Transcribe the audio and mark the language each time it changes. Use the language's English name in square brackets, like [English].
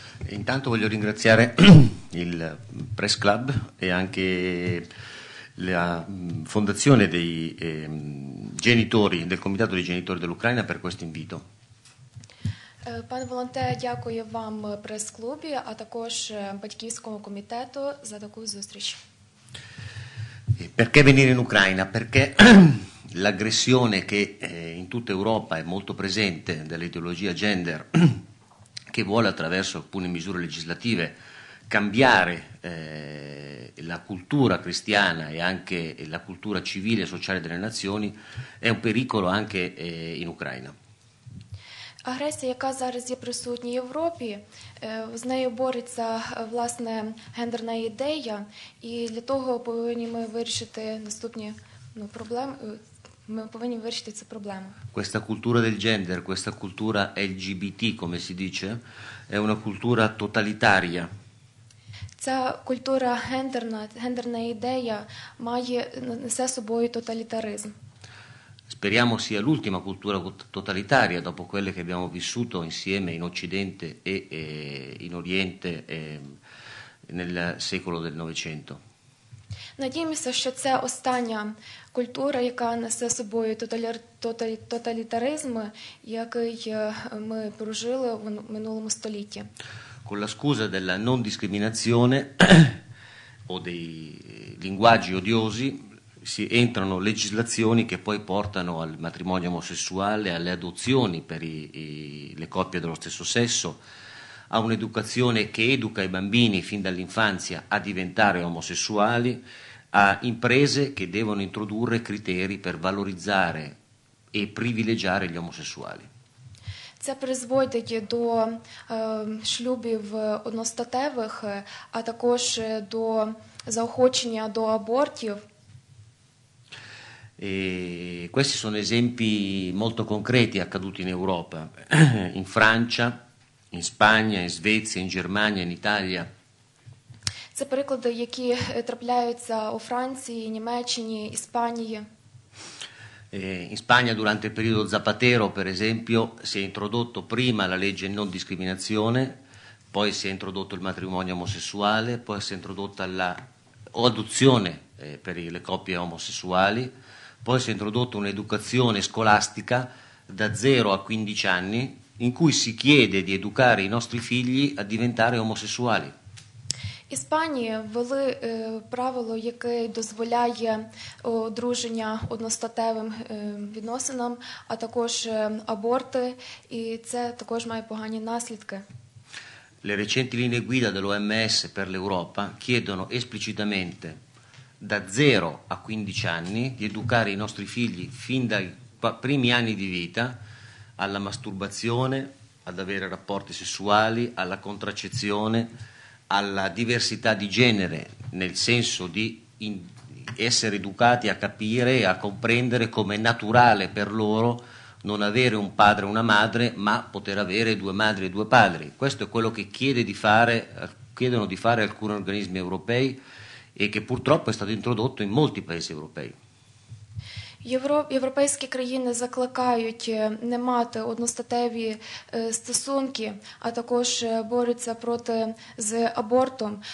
[Italian] Intanto voglio ringraziare il Press Club e anche la fondazione dei genitori, del Comitato dei Genitori dell'Ucraina per questo invito. [Ukrainian] Пане Волонте, дякую вам прес-клубі, а також батьківському комітету за таку зустріч. [Italian] Perché venire in Ucraina? Perché l'aggressione che in tutta Europa è molto presente dell'ideologia gender, che vuole attraverso alcune misure legislative cambiare la cultura cristiana e anche la cultura civile e sociale delle nazioni, è un pericolo anche in Ucraina. [Ukrainian] Агресія, яка зараз є присутня в Європі, з нею бореться, власне, гендерна ідея, і для того повинні ми вирішити наступні проблеми, ми повинні вирішити цю проблему. [Italian] Questa cultura del gender, questa cultura LGBT, come si dice, è una cultura totalitaria. [Ukrainian] ця культура гендерна, гендерна ідея має, несе собою тоталітаризм. [Italian] Speriamo sia l'ultima cultura totalitaria dopo quelle che abbiamo vissuto insieme in Occidente e in Oriente nel secolo del Novecento. [Ukrainian] Надіємося, що це остання культура, яка несе собою тоталітаризм, який ми прожили в минулому столітті. [Italian] Con la scusa della non discriminazione o dei linguaggi odiosi si entrano legislazioni che poi portano al matrimonio omosessuale, alle adozioni per le coppie dello stesso sesso, a un'educazione che educa i bambini fin dall'infanzia a diventare omosessuali, a imprese che devono introdurre criteri per valorizzare e privilegiare gli omosessuali. [Ukrainian] Це призводить до шлюбів одностатевих, а також до заохочення до абортів. [Italian] E questi sono esempi molto concreti accaduti in Europa, in Francia, in Spagna, in Svezia, in Germania, in Italia. [Ukrainian] Це приклади, які трапляються у Франції, Німеччині, Іспанії. [Italian] In Spagna durante il periodo Zapatero, per esempio, si è introdotto prima la legge non discriminazione, poi si è introdotto il matrimonio omosessuale, poi si è introdotta la adozione per le coppie omosessuali, poi si è introdotta un'educazione scolastica da 0 a 15 anni in cui si chiede di educare i nostri figli a diventare omosessuali. [Ukrainian] Іспанії ввели правило, яке дозволяє одруження одностатевим відносинам, а також аборти, і це також має погані наслідки. [Italian] Le recenti linee guida dell'OMS per l'Europa chiedono esplicitamente da 0 a 15 anni di educare i nostri figli fin dai primi anni di vita alla masturbazione, ad avere rapporti sessuali, alla contraccezione, alla diversità di genere, nel senso di essere educati a capire e a comprendere come è naturale per loro non avere un padre e una madre, ma poter avere due madri e due padri. Questo è quello che chiedono di fare alcuni organismi europei e che purtroppo è stato introdotto in molti paesi europei. [Ukrainian] Європейські країни закликають не мати одностатеві стосунки, а також борються проти з абортом.